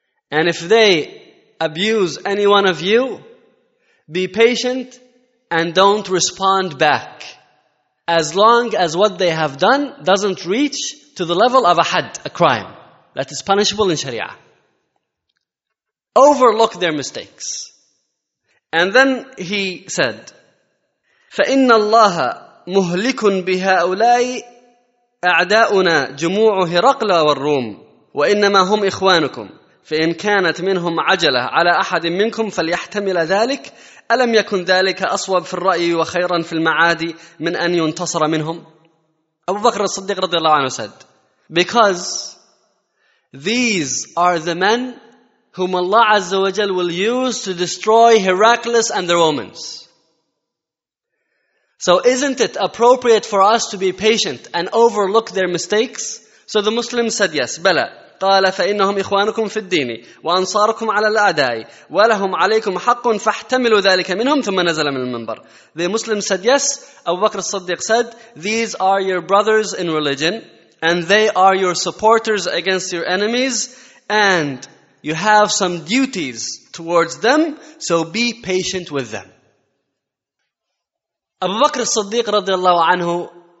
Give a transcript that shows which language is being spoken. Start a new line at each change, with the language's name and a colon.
English: And if they abuse any one of you, be patient and don't respond back. As long as what they have done doesn't reach to the level of a had, a crime that is punishable in Sharia. Overlook their mistakes. And then he said,
Arabic: فَإِنَّ اللَّهَ مُهْلِكٌ بِهَاؤُلَاءِ أَعْدَاؤُنَا جُمُوعُ هِرَقْلَ وَالرُّومِ وَإِنَّمَا هُمْ إِخْوَانُكُمْ فإن كانت منهم عجلة على أحد منكم فليحتمل ذلك ألم يكن ذلك أصوب في الرأي وخيرا في المعاد من أن ينتصر منهم.
English: أبو بكر الصديق رضي الله عنه said, because these are the men whom Allah Azza wa Jal will use to destroy Heracles and the Romans. So isn't it appropriate for us to be patient and overlook their mistakes? So the Muslims said yes,
Arabic: بلى. قال فإنهم إخوانكم في الدين وأنصاركم على الأعداء ولهم عليكم حق فاحتملوا ذلك منهم ثم نزل من المنبر.
English: The Muslim said yes. Abu Bakr as-Siddiq said, these are your brothers in religion and they are your supporters against your enemies, and you have some duties towards them, so be patient with them. Abu Bakr as-Siddiq radiallahu anhu,